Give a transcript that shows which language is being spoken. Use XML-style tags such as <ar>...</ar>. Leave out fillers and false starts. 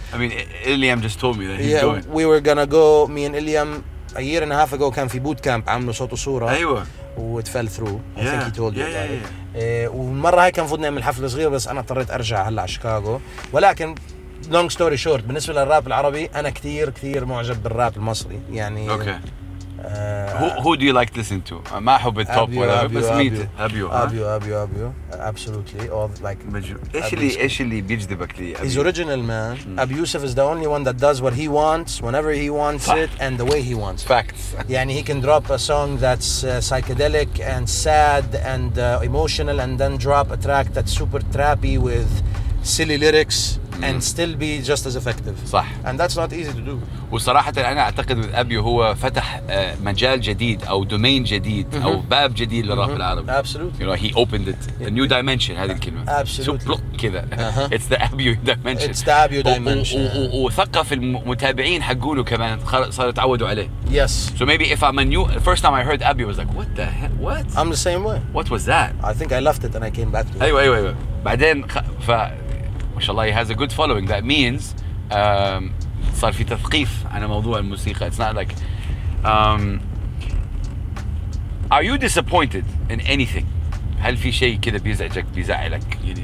<en>I mean Ilyam just told me that he's yeah, doing we were gonna go me and Ilyam a year and a half ago</en> <ar>كان في</ar> <en>boot camp</en> <ar>عملوا صوت وصوره ايوه</ar> <en>it fell through I think he told you</en> <ar>والمره هاي كان المفروض نعمل حفله صغيره بس انا اضطريت ارجع هلا على شيكاغو ولكن</ar> <en>long story short</en> <ar>بالنسبة للراب العربي أنا كتير كتير معجب بالراب المصري يعني</ar> <en>Who do you like listening to?</en> <ar>ما أحب التوب ولا بس ميت</ar> <en>أبيو absolutely all like</en> <ar>إيش اللي بيجذبك لي</ar> <en>He's original man أبي يوسف is the only one that does what he wants whenever he wants it and the way he wants facts يعني he can drop a song that's psychedelic and sad and emotional and then drop a track that's super trappy with silly lyrics and still be just as effective.</en> <ar>صح.</ar> <en>And that's not easy to do.</en> <ar>وصراحة أنا أعتقد with أبيو هو فتح مجال جديد أو domain جديد أو باب جديد للراب العربي.</ar> <en>Absolutely. You know he opened it a new dimension</en> <ar>هذه الكلمة.</ar> <en>Absolutely. So كذا. It's the Abiu dimension. It's the Abiu dimension.</en> <ar>وثقف المتابعين حقوله كمان صار يتعودوا عليه.</ar> <en>Yes. So maybe if I'm a new first time I heard Abiu was like what the hell what? I'm the same way. What was that? I think I left it and I came back to it.</en> <ar>أيوة. بعدين ف إن شاء الله</ar> <en>he has a good following that means</en> <ar>صار في تثقيف على موضوع الموسيقى</ar> <en>it's not like are you disappointed in anything</en> <ar>هل في شيء كذا بيزعجك بيزعلك</ar>